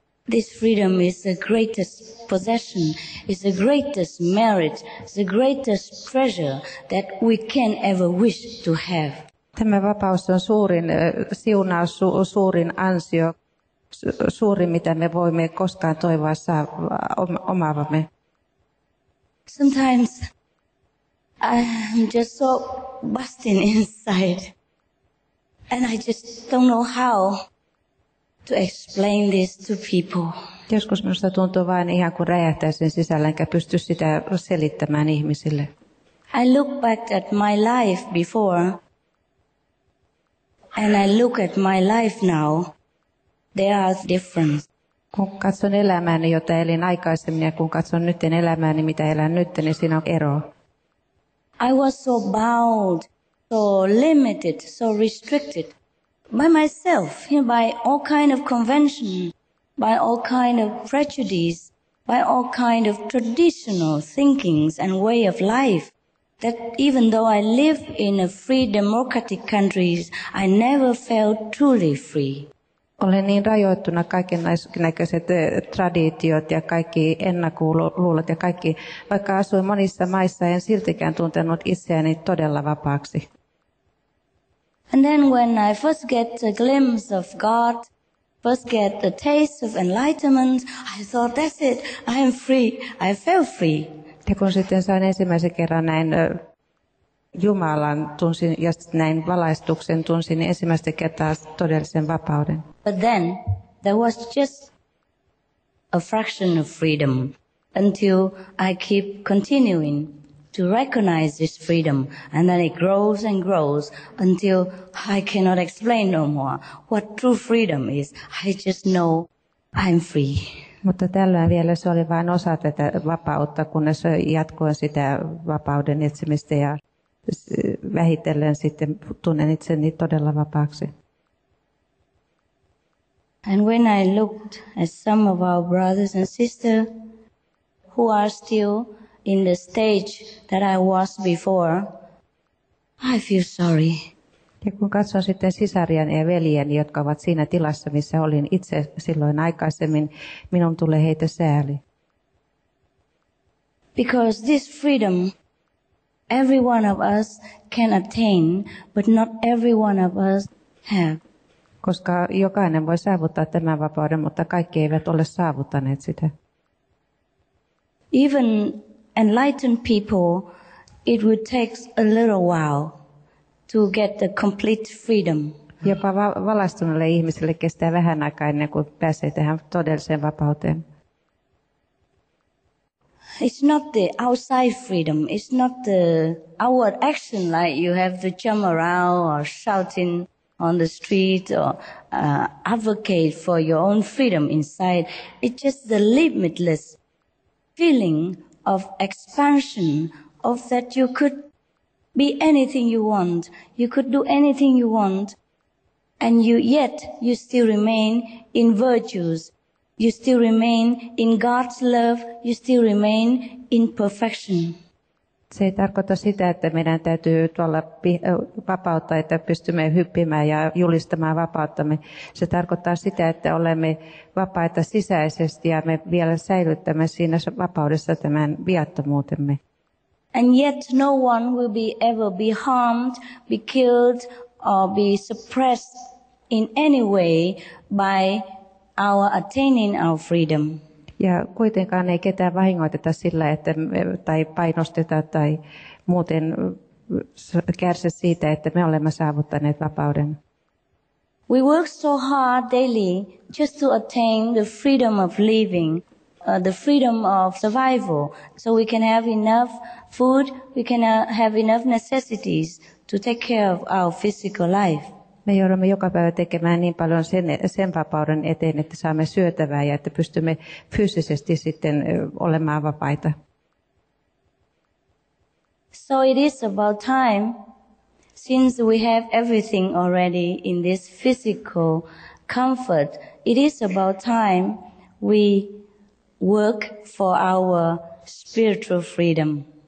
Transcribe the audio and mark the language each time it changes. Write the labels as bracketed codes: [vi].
[en] This freedom is the greatest possession, is the greatest merit, is the greatest treasure that we can ever wish to have. [fi] Tämä vapaus on suurin siunaus, suurin ansio, suurin mitä me voimme koskaan toivoa saada omaavamme. [en] Sometimes I'm just so busting inside and I just don't know how to explain this to people. [fi] Joskus minusta tuntuu vain ihan kuin räjähtäisin sisällä enkä pysty sitä selittämään ihmisille. [en] I look back at my life before and I look at my life now. There are differences. [fi] Kun katson elämääni, jota elin aikaisemmin, ja kun katson nyt elämääni, mitä elän nyt, niin siinä on ero. [en] I was so bound, so limited, so restricted by myself, by all kind of convention, by all kind of prejudice, by all kind of traditional thinkings and way of life. That even though I live in a free democratic countries, I never felt truly free. [fi] Olen niin rajoittuna kaikennäköiset traditiot ja kaikki ennakkoluulot ja kaikki, vaikka asuin monissa maissa, en siltikään tuntenut itseäni todella vapaaksi. [en] And then when I first get a glimpse of God, first get the taste of enlightenment, I thought, that's it, I am free, I feel free. [fi] Ja kun sitten sain ensimmäisen kerran näin Jumalan tunsin ja näin valaistuksen tunsin, niin ensimmäistä kertaa todellisen vapauden. [en] But then there was just a fraction of freedom until I keep continuing to recognize this freedom, and then it grows and grows until I cannot explain no more what true freedom is. I just know I'm free. [fi] Mutta tällöin vielä se oli vain osa tätä vapautta, kunnes jatkoin sitä vapauden etsimistä ja vähitellen sitten tunnen itseni todella vapaaksi. [en] And when I looked at some of our brothers and sisters who are still in the stage that I was before, I feel sorry. [fi] Ja kun katson sitten sisariani ja veljeni, jotka ovat siinä tilassa, missä olin itse silloin aikaisemmin, minun tulee heitä sääli. [en] Because this freedom, every one of us can attain, but not every one of us have. [fi] Koska jokainen voi saavuttaa tämän vapauden, mutta kaikki eivät ole saavuttaneet sitä. [en] Even enlightened people, it would take a little while to get the complete freedom. [fi] Jopa valaistuneille ihmisille kestää vähän aikaa ennen kuin pääsee tähän todelliseen vapauteen. [en] It's not the outside freedom. It's not the outward action like you have to jump around or shouting on the street or advocate for your own freedom inside. It's just the limitless feeling of expansion of that you could be anything you want, you could do anything you want, and yet you still remain in virtues, you still remain in God's love, you still remain in perfection. [fi] Se ei tarkoita sitä, että meidän täytyy tuolla vapautta, että pystymme hyppimään ja julistamaan vapauttamme. Se tarkoittaa sitä, että olemme vapaita sisäisesti ja me vielä säilyttämme siinä vapaudessa tämän viattomuutemme. [en] And yet no one will be ever be harmed, be killed or be suppressed in any way by our attaining our freedom. [fi] Ja kuitenkaan ei ketään vahingoiteta sillä, että tai painosteta tai muuten kärsi siitä, että me olemme saavuttaneet vapauden. [en] We work so hard daily just to attain the freedom of living. The freedom of survival, so we can have enough food, we can have enough necessities to take care of our physical life. [fi] Me joudumme joka päivä tekemään niin paljon sen vapauden eteen, että saamme syötävää ja että pystymme fyysisesti sitten olemaan vapaita. [en] So it is about time, since we have everything already in this physical comfort, it is about time we work for our spiritual freedom.